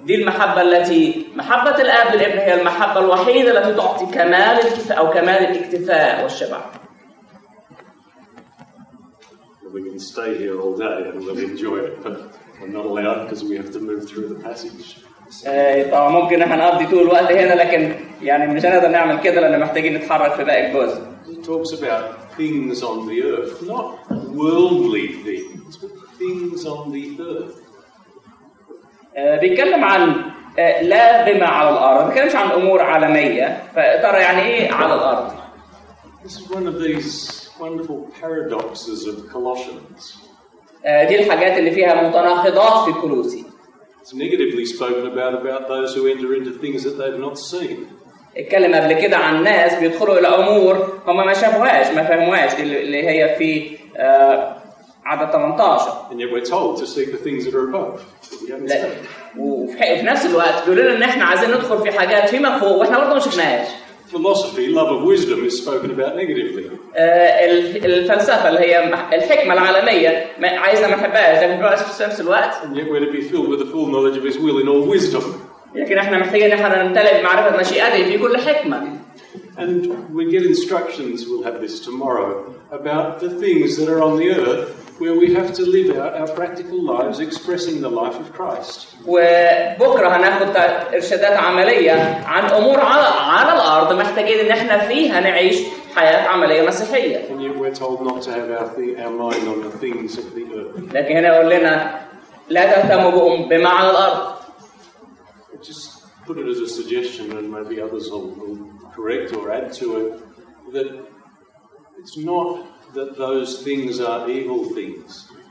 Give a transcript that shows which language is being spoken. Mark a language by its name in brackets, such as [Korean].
[Arabic] دي المحبة التي محبة الآب للابن هي المحبة الوحيدة التي تعطي كمال الكفاء أو كمال الاكتفاء والشبع. [English] We can stay here all day and we'll enjoy it, but we're not allowed because we have to move through the passage. [Arabic] طبعا ممكن احنا نقضي طول الوقت هنا لكن يعني مش هنقدر نعمل كده لان محتاجين نتحرك في باقي الجزء. [English] He talks about things on the earth, not worldly things, but things on the earth. [Arabic] بيتكلم عن لا بما على الارض، ما بيتكلمش عن امور عالميه، فترى يعني ايه على الارض؟ [English] This is one of these wonderful paradoxes of Colossians. [Arabic] دي الحاجات اللي فيها متناقضات في كولوسي. [English] It's negatively spoken about those who enter into things that they've not seen. [Arabic] اتكلم قبل كده عن ناس بيدخلوا الى امور هم ما شافوهاش ما فهموهاش اللي هي في عدد 18. [English] And yet we're told to seek the things that are above. [Arabic] وفي نفس الوقت بيقولوا لنا ان احنا عايزين ندخل في حاجات فيما فوق واحنا برضه ما شفناهاش. [English] Philosophy, love of wisdom is spoken about negatively. [Arabic] الفلسفة اللي هي الحكمة العالمية عايزنا ما نحبهاش لكن في نفس الوقت. [English] And yet we're to be filled with the full knowledge of his will in all wisdom. [Arabic] لكن احنا محتاجين احنا نمتلئ بمعرفة مشيئته في كل حكمة. [English] And we get instructions, we'll have this tomorrow, about the things that are on the earth where we have to live our practical lives expressing the life of Christ. [Arabic] وبكرة هناخد إرشادات عملية عن أمور على الأرض محتاجين إن إحنا فيها نعيش حياة عملية مسيحية. [English] And yet we're told not to have our mind on the things of the earth. [Arabic] لكن هنا يقول لنا لا تهتموا بما على الأرض. [English] Just put it as a suggestion and maybe others will correct or add to it that it's not that those things are evil things.